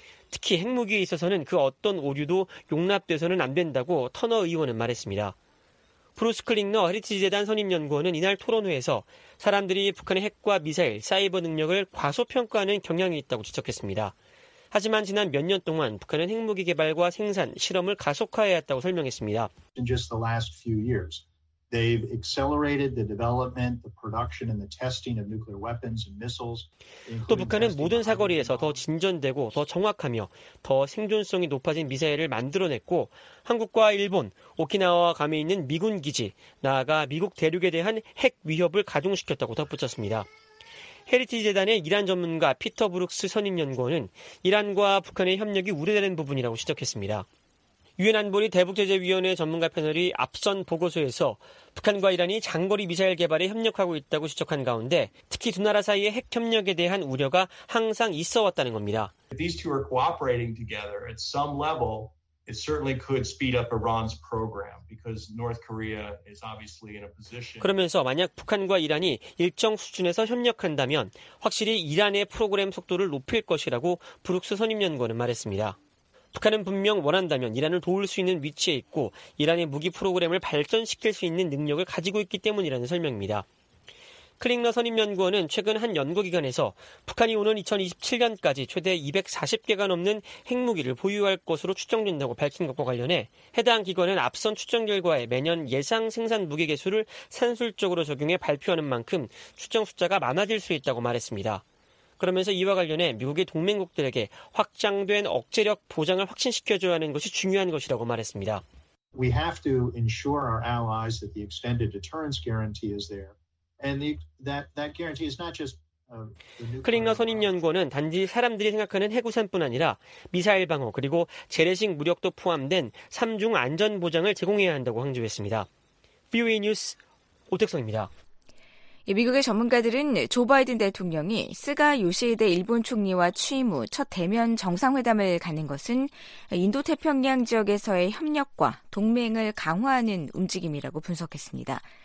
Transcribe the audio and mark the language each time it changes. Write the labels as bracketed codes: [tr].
[ko] 특히 핵무기에 있어서는 그 어떤 오류도 용납돼서는 안 된다고 터너 의원은 말했습니다. 브루스 클링너 헤리티지재단 선임연구원은 이날 토론회에서 사람들이 북한의 핵과 미사일, 사이버 능력을 과소평가하는 경향이 있다고 지적했습니다. 하지만 지난 몇 년 동안 북한은 핵무기 개발과 생산, 실험을 가속화해야 했다고 설명했습니다. [en] In just the last few years, they've accelerated the development, the production, and the testing of nuclear weapons and missiles. [ko] 또 북한은 모든 사거리에서 더 진전되고 더 정확하며 더 생존성이 높아진 미사일을 만들어냈고 한국과 일본, 오키나와와 감에 있는 미군 기지, 나아가 미국 대륙에 대한 핵 위협을 가중시켰다고 덧붙였습니다. 헤리티지 재단의 이란 전문가 피터 브룩스 선임 연구원은 이란과 북한의 협력이 우려되는 부분이라고 지적했습니다. 유엔 안보리 대북제재위원회 전문가 패널이 앞선 보고서에서 북한과 이란이 장거리 미사일 개발에 협력하고 있다고 지적한 가운데 특히 두 나라 사이의 핵 협력에 대한 우려가 항상 있어 왔다는 겁니다. [en] If these two are cooperating together at some level, it certainly could speed up Iran's program because North Korea is obviously in a position. [ko] 그러면서 만약 북한과 이란이 일정 수준에서 협력한다면 확실히 이란의 프로그램 속도를 높일 것이라고 브룩스 선임연구원은 말했습니다. 북한은 분명 원한다면 이란을 도울 수 있는 위치에 있고 이란의 무기 프로그램을 발전시킬 수 있는 능력을 가지고 있기 때문이라는 설명입니다. 클링너 선임연구원은 최근 한 연구기관에서 북한이 오는 2027년까지 최대 240개가 넘는 핵무기를 보유할 것으로 추정된다고 밝힌 것과 관련해 해당 기관은 앞선 추정 결과에 매년 예상 생산 무기 개수를 산술적으로 적용해 발표하는 만큼 추정 숫자가 많아질 수 있다고 말했습니다. 그러면서 이와 관련해 미국의 동맹국들에게 확장된 억제력 보장을 확신시켜줘야 하는 것이 중요한 것이라고 말했습니다. [en] We have to ensure our allies that the extended deterrence guarantee is there. And that guarantee is not just. [ko] 클링너 선임 연구원은 단지 사람들이 생각하는 핵우산뿐 아니라 미사일 방어 그리고 재래식 무력도 포함된 3중 안전 보장을 제공해야 한다고 강조했습니다. VOA 뉴스 오택성입니다. 미국의 전문가들은 조 바이든 대통령이 스가 요시히데 일본 총리와 취임 후 첫 대면 정상회담을 가는 것은 인도태평양 지역에서의 협력과 동맹을 강화하는 움직임이라고 분석했습니다.